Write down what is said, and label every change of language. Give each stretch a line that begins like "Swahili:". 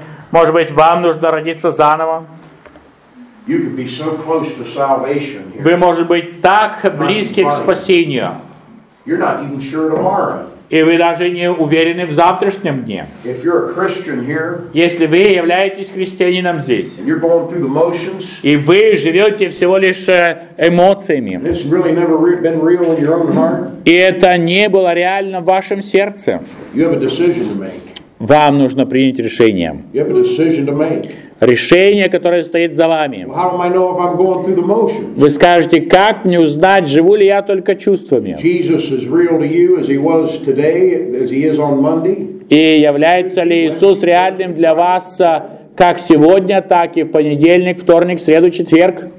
Russian: Может быть, вам нужно родиться заново?
English: You can be so close to salvation here.
Russian: Вы можете быть так близки к спасению.
English: You're not even sure tomorrow.
Russian: И вы даже не уверены в завтрашнем дне.
English: If you're a Christian here,
Russian: если вы являетесь христианином здесь,
English: and you're going through the motions,
Russian: и вы живете всего лишь эмоциями,
English: it's really never been real in your own heart,
Russian: и это не было реально в вашем сердце,
English: you have a decision to make.
Russian: Вам нужно принять решение.
English: You have a decision to make.
Russian: Решение, которое стоит за вами. Вы скажете, как мне узнать, живу ли я только чувствами? И является ли Иисус реальным для вас как сегодня, так и в понедельник, вторник, среду, четверг?